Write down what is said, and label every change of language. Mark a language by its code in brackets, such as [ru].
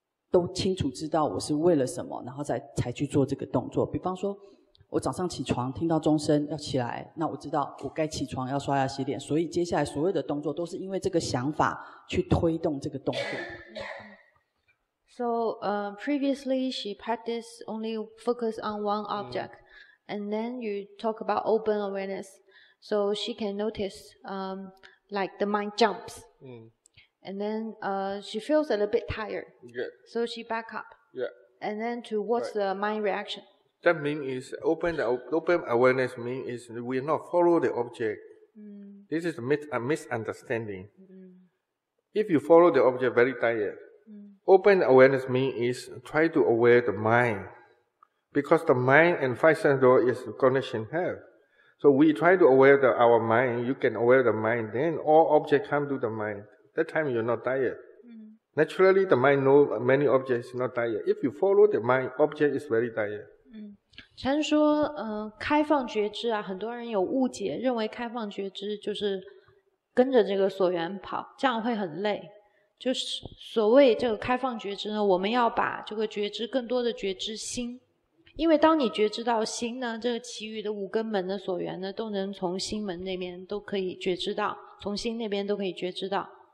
[zh] 都清楚知道我是为了什么，然后才去做这个动作，比方说我早上起床听到钟声要起来，那我知道我该起床要刷牙洗脸，所以接下来所有的动作都是因为这个想法去推动这个动作。 [en] So previously she practiced only focus on one object, and then you talk about open awareness, so she can notice like the mind jumps, and then she feels a little bit tired. Yeah. So she back up. Yeah. And then to what's right. the mind reaction? That mean is open awareness mean is we not follow the object. This is a misunderstanding. If you follow the object very tired, open awareness mean is try to aware the mind, because the mind and five sense door is connection have. So we try to aware the our mind. You can aware the mind, then all objects come to the mind. That time you're not tired. Naturally, the mind know many objects not tired. If you follow the mind, object is very tired. [zh] 禅说，开放觉知啊，很多人有误解，认为开放觉知就是跟着这个所缘跑，这样会很累。就是所谓这个开放觉知呢，我们要把这个觉知更多的觉知心，因为当你觉知到心呢，这个其余的五根门的所缘呢，都能从心门那边都可以觉知到，从心那边都可以觉知到。